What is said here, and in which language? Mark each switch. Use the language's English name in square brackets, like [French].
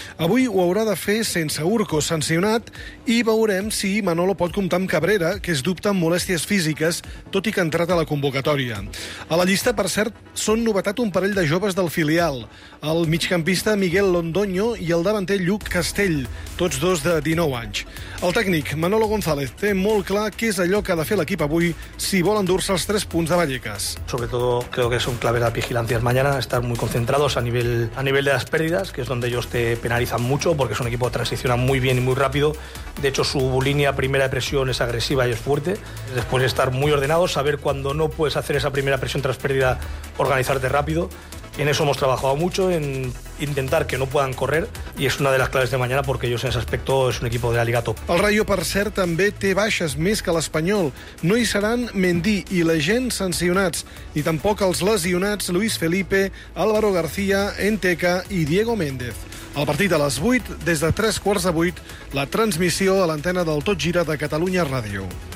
[Catalan] Avui ho haurà de fer sense Urco sancionat i veurem si Manolo pot comptar amb Cabrera, que es dubta amb molèsties físiques, tot i que ha entrat a la convocatòria. A la llista, per cert, són novetat un parell de joves del filial, el migcampista Miguel Londoño i el davanter Lluc Castell, tots dos de 19 anys. El tècnic Manolo González té molt clar que és allò que ha de fer l'equip avui si vol endur-se els 3 punts de Vallecas. [Spanish] Sobretodo creo que son claves las vigilancias mañana, estar muy concentrados a nivel de las pérdidas, que es donde ellos te penalizan mucho, porque es un equipo que transiciona muy bien y muy rápido. De hecho, su línea primera de presión es agresiva y es fuerte. Después estar muy ordenado, saber cuando no puedes hacer esa primera presión tras pérdida, organizarte rápido. En eso hemos trabajado mucho, en intentar que no puedan correr, y es una de las claves de mañana porque ellos en ese aspecto es un equipo de la Liga top. [Catalan] El Rayo, per cert, també té baixes més que l'Espanyol. No hi seran Mendy i la gent sancionats, ni tampoc els lesionats Luis Felipe, Álvaro García, Enteca i Diego Méndez. El partit a les 8, des de 7:45, la transmissió a l'antena del Tot Gira de Catalunya Ràdio.